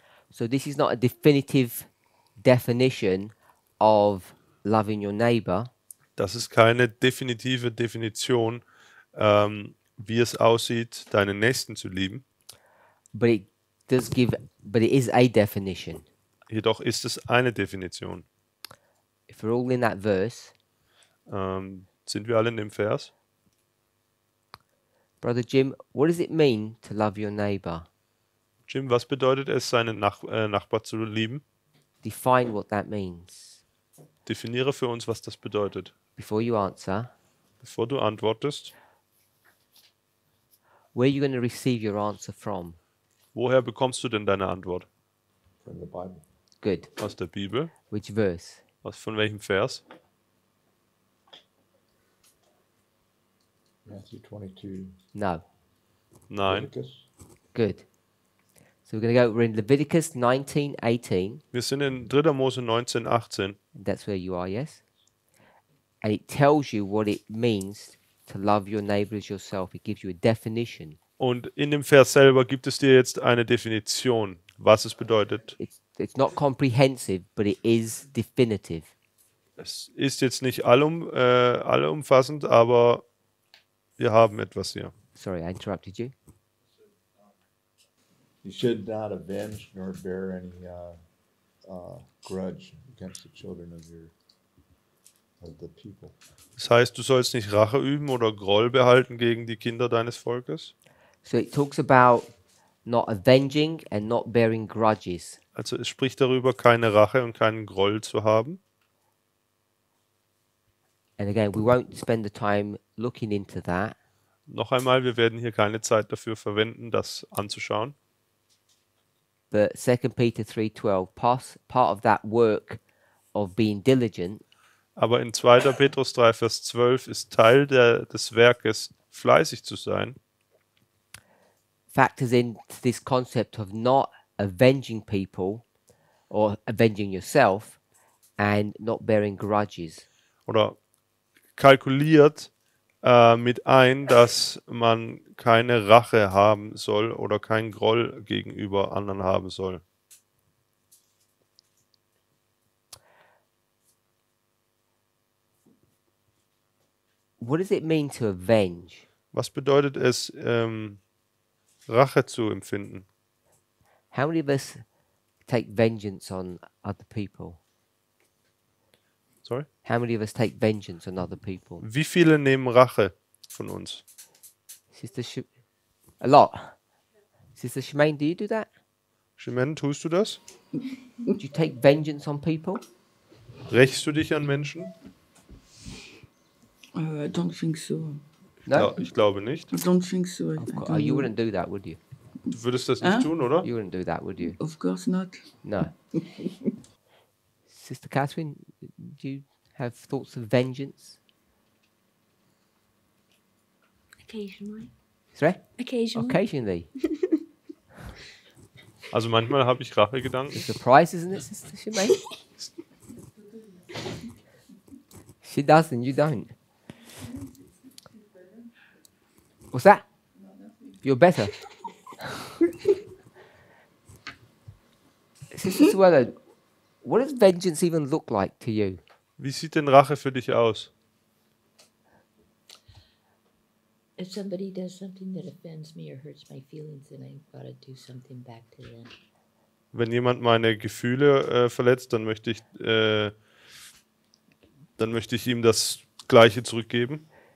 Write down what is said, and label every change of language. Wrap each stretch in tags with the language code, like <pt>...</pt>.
<en>So this is not a definitive definition of loving your neighbor.</en> <de>Das ist keine definitive Definition, wie es aussieht, deinen Nächsten zu lieben.</de> <en>But it is a definition.</en> <de>Jedoch ist es eine Definition.</de> <en>If we're all in that verse,</en> <de>sind wir alle in dem Vers?</de> <en>Brother Jim, what does it mean to love your neighbor?</en> <de>Jim, was bedeutet es, seinen Nachbar zu lieben?</de> <en>Define what that means.</en> <de>Definiere für uns, was das bedeutet.</de> <en>Before you answer.</en> <de>Bevor du antwortest.</de> <en>Where are you going to receive your answer from?</en> <de>Woher bekommst du denn deine Antwort?</de> <en>From the Bible. Good.</en> <de>Aus der Bibel.</de> <en>Which verse?</en> <de>Aus von welchem Vers?</de> <en>Matthew 22. No.</en> <de>Nein.</de> <en>Leviticus. Good. So we're going to go, we're in Leviticus 19:18.</en> <de>Wir sind in 3. Mose 19:18.</de> <en>That's where you are, yes? And it tells you what it means to love your neighbor as yourself. It gives you a definition.</en> <de>Und in dem Vers selber gibt es dir jetzt eine Definition, was es bedeutet.</de> <en>It's not comprehensive, but it is definitive.</en> <de>Es ist jetzt nicht allumfassend, aber wir haben etwas hier.</de> <en>Sorry, I interrupted you. You should not avenge nor bear any grudge against the children of your of the people.</en> <de>Das heißt, du sollst nicht Rache üben oder Groll behalten gegen die Kinder deines Volkes.</de> <en>So it talks about not avenging and not bearing grudges.</en> <de>Also es spricht darüber, keine Rache und keinen Groll zu haben.</de> <en>And again, we won't spend the time looking into that.</en> <de>noch einmal, wir werden hier keine Zeit dafür verwenden, das anzuschauen.</de> <en>But 2 Peter 3:12, part of that work of being diligent.</en> <de>Aber in 2. Petrus 3, Vers 12 ist Teil des Werkes, fleißig zu sein.</de> <en>Factors into this concept of not avenging people or avenging yourself and not bearing grudges.</en> <de>Oder kalkuliert mit ein, dass man keine Rache haben soll oder keinen Groll gegenüber anderen haben soll.</de> <en>What does it mean to avenge?</en> <de>Was bedeutet es, Rache zu empfinden?</de> <en>How many of us take vengeance on other people? Sorry? How many of us take vengeance on other people?</en> <de>Wie viele nehmen Rache von uns?</de> <en>Sister a lot. Sister Shemaine, do you do that?</en> <de>Shemaine, tust du das?</de> <en>Do you take vengeance on people?</en> <de>Rächst du dich an Menschen?</de> <en>I don't think so.</en> <de>No? Ja, ich glaube nicht.</de> <en>I don't think so. Oh, you wouldn't do that, would you?</en> <de>Du würdest das nicht tun, oder?</de> <en>You wouldn't do that, would you? Of course not. No. Sister Catherine, do you have thoughts of vengeance? Occasionally. Sorry? Occasionally. Occasionally.</en> <de>Also manchmal habe ich Rachegedanken.</de> <en>It's a surprise, isn't it, Sister Shemaine? She doesn't, you don't. What's that? You're better. Sister Suella, what does vengeance even look like to you?</en> <de>Wie sieht denn Rache für dich aus?</de> <en>If somebody does something that offends me or hurts my feelings, then I've got to do something back to them.</en> <de>Wenn jemand meine Gefühle verletzt, dann möchte ich ihm das Gleiche zurückgeben.</de>